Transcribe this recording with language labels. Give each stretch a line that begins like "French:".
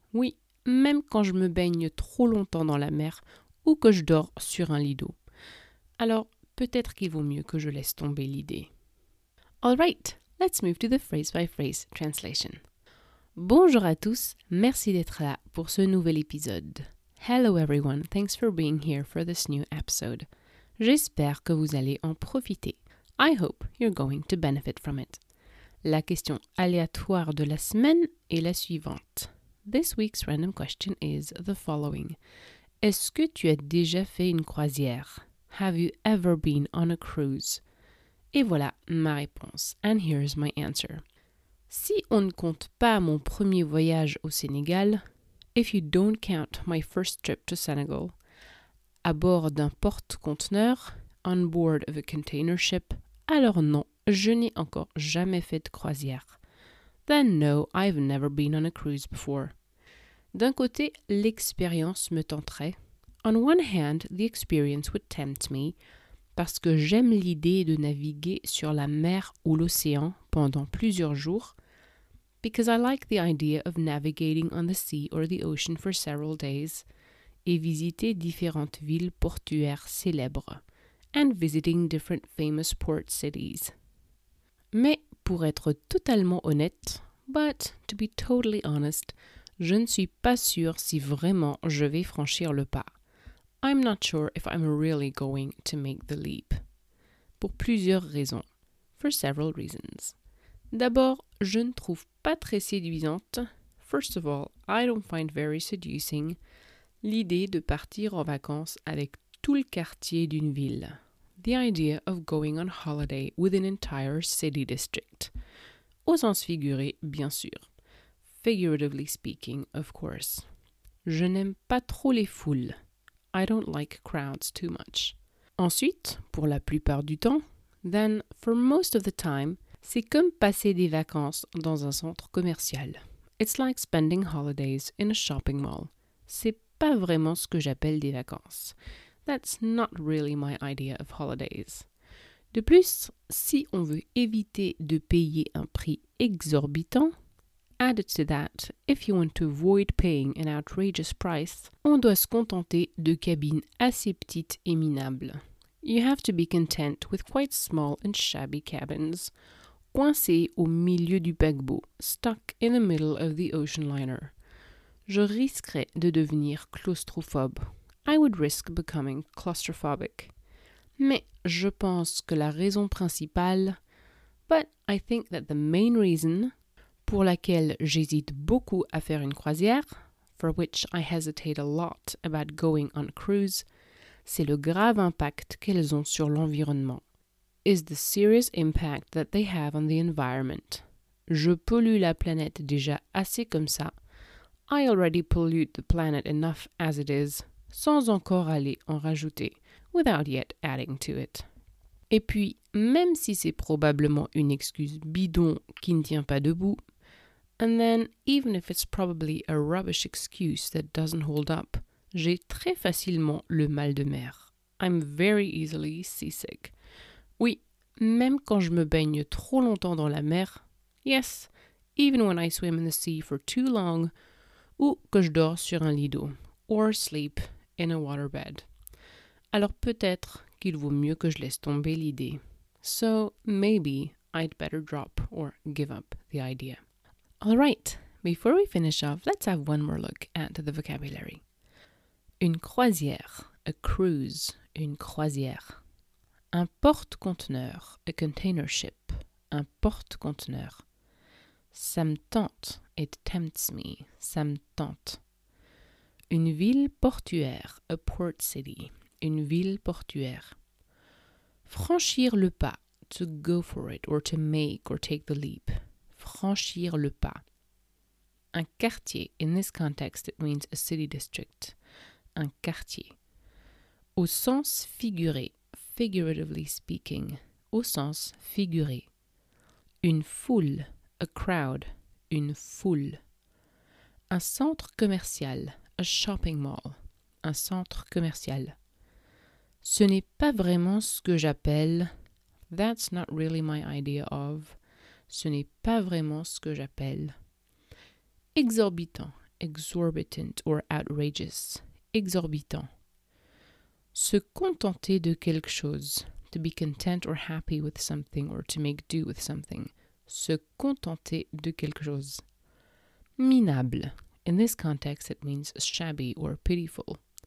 French: Oui, même quand je me baigne trop longtemps dans la mer ou que je dors sur un lit d'eau. Alors, peut-être qu'il vaut mieux que je laisse tomber l'idée.
English: All right, let's move to the phrase-by-phrase translation.
French: Bonjour à tous, merci d'être là pour ce nouvel épisode.
English: Hello everyone, thanks for being here for this new episode.
French: J'espère que vous allez en profiter.
English: I hope you're going to benefit from it.
French: La question aléatoire de la semaine est la suivante.
English: This week's random question is the following.
French: Est-ce que tu as déjà fait une croisière?
English: Have you ever been on a cruise?
French: Et voilà ma réponse.
English: And here's my answer.
French: Si on ne compte pas mon premier voyage au Sénégal,
English: if you don't count my first trip to Senegal,
French: à bord d'un porte-conteneur,
English: on board of a container ship,
French: alors non, je n'ai encore jamais fait de croisière.
English: Then no, I've never been on a cruise before.
French: D'un côté, l'expérience me tenterait.
English: On one hand, the experience would tempt me,
French: parce que j'aime l'idée de naviguer sur la mer ou l'océan pendant plusieurs jours.
English: Because I like the idea of navigating on the sea or the ocean for several days,
French: et visiter différentes villes portuaires célèbres,
English: and visiting different famous port cities.
French: Mais pour être totalement honnête,
English: but to be totally honest,
French: je ne suis pas sûre si vraiment je vais franchir le pas.
English: I'm not sure if I'm really going to make the leap.
French: Pour plusieurs raisons.
English: For several reasons.
French: D'abord, je ne trouve pas très séduisante.
English: First of all, I don't find very seducing
French: l'idée de partir en vacances avec tout le quartier d'une ville.
English: The idea of going on holiday with an entire city district.
French: Au sens figuré, bien sûr.
English: Figuratively speaking, of course.
French: Je n'aime pas trop les foules.
English: I don't like crowds too much.
French: Ensuite, pour la plupart du temps,
English: then for most of the time,
French: c'est comme passer des vacances dans un centre commercial.
English: It's like spending holidays in a shopping mall.
French: C'est pas vraiment ce que j'appelle des vacances.
English: That's not really my idea of holidays.
French: De plus, si on veut éviter de payer un prix exorbitant,
English: added to that, if you want to avoid paying an outrageous price,
French: on doit se contenter de cabines assez petites et minables.
English: You have to be content with quite small and shabby cabins,
French: coincées au milieu du paquebot,
English: stuck in the middle of the ocean liner.
French: Je risquerais de devenir claustrophobe.
English: I would risk becoming claustrophobic.
French: Mais je pense que la raison principale,
English: but I think that the main reason
French: pour laquelle j'hésite beaucoup à faire une croisière,
English: for which I hesitate a lot about going on a cruise,
French: c'est le grave impact qu'elles ont sur l'environnement.
English: Is the serious impact that they have on the environment.
French: Je pollue la planète déjà assez comme ça.
English: I already pollute the planet enough as it is,
French: sans encore aller en rajouter,
English: without yet adding to it.
French: Et puis, même si c'est probablement une excuse bidon qui ne tient pas debout,
English: and then, even if it's probably a rubbish excuse that doesn't hold up,
French: j'ai très facilement le mal de mer.
English: I'm very easily seasick.
French: Oui, même quand je me baigne trop longtemps dans la mer.
English: Yes, even when I swim in the sea for too long.
French: Ou que je dors sur un lit d'eau.
English: Or sleep in a waterbed.
French: Alors peut-être qu'il vaut mieux que je laisse tomber l'idée.
English: So, maybe I'd better drop or give up the idea. All right, before we finish off, let's have one more look at the vocabulary.
French: Une croisière,
English: a cruise,
French: une croisière. Un porte-conteneur,
English: a container ship,
French: un porte-conteneur. Ça me tente,
English: it tempts me,
French: ça me tente. Une ville portuaire,
English: a port city,
French: une ville portuaire. Franchir le pas,
English: to go for it, or to make, or take the leap.
French: Franchir le pas. Un quartier,
English: in this context it means a city district.
French: Un quartier. Au sens figuré,
English: figuratively speaking,
French: au sens figuré. Une foule,
English: a crowd,
French: une foule. Un centre commercial,
English: a shopping mall,
French: un centre commercial. Ce n'est pas vraiment ce que j'appelle,
English: That's not really my idea of.
French: Ce n'est pas vraiment ce que j'appelle. Exorbitant, exorbitant
English: or outrageous.
French: Exorbitant. Se contenter de quelque chose.
English: To be content or happy with something or to make do with something.
French: Se contenter de quelque chose. Minable.
English: In this context, it means shabby or pitiful.